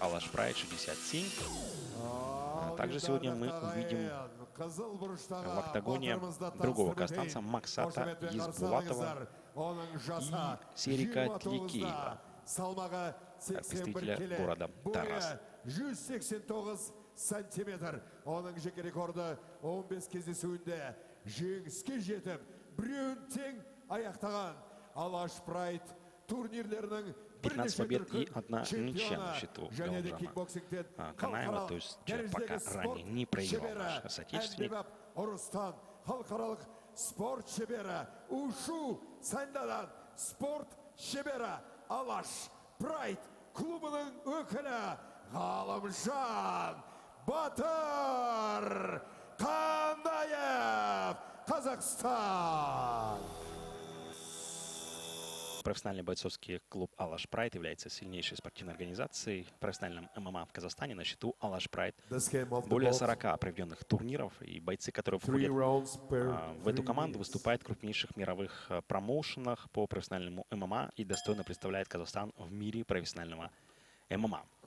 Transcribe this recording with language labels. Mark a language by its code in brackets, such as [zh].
[ru] Алаш Прайд 67. Также сегодня мы увидим в октагоне другого казахстанца Максата Есбулатова и Серика Тликиева, представителя города Тарас. [kk] 189 сантиметр. Оның жеке рекорды 15 кездесуінде жеңіске жетіп, біреуін тең аяқтаған. Алаш Прайд турнирлерінің [ru] 15 побед и одна ничья на счету Галымжана Канаева, то есть пока ранее не проиграл наш соотечественник. [kk] Рустан, халықаралық спорт шебері, ушу сандадан спорт шебері, Алаш Прайд клубының өкілі Галымжан Батыр Канаев, Қазақстан. [ru] Профессиональный бойцовский клуб «Алаш Прайд» является сильнейшей спортивной организацией. В профессиональном ММА в Казахстане на счету «Алаш Прайд» более 40 проведенных турниров, и бойцы, которые входят в эту команду, выступают в крупнейших мировых промоушенах по профессиональному ММА и достойно представляют Казахстан в мире профессионального ММА.